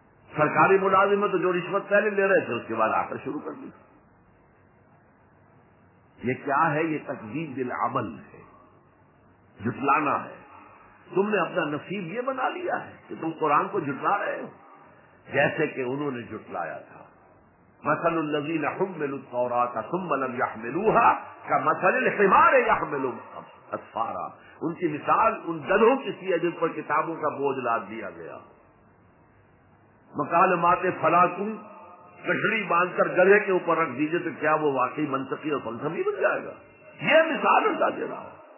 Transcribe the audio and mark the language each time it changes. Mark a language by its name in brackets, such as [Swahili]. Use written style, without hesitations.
[Urdu] سرکاری ملازمت، جو رشوت پہلے لے رہے تھے اس کے بعد آ کر شروع کر دیا. یہ کیا ہے؟ یہ تکذیب بالعمل ہے، جھٹلانا ہے. تم نے اپنا نصیب یہ بنا لیا ہے کہ تم قرآن کو جھٹلا رہے ہو، جیسے کہ انہوں نے جھٹلایا تھا. [Arabic] مثل الذین حملوا التوراۃ ثم لم یحملوها کمثل الحمار یحمل اسفارا. [Urdu] ان کی مثال ان گدھوں کی سی ہے جن پر کتابوں کا بوجھ لاد دیا گیا. مکالمات فلاکوں کٹڑی باندھ کر گدھے کے اوپر رکھ دیجئے تو کیا وہ واقعی منطقی اور فلسفی بن جائے گا؟ یہ مثال اللہ دے رہا ہوں.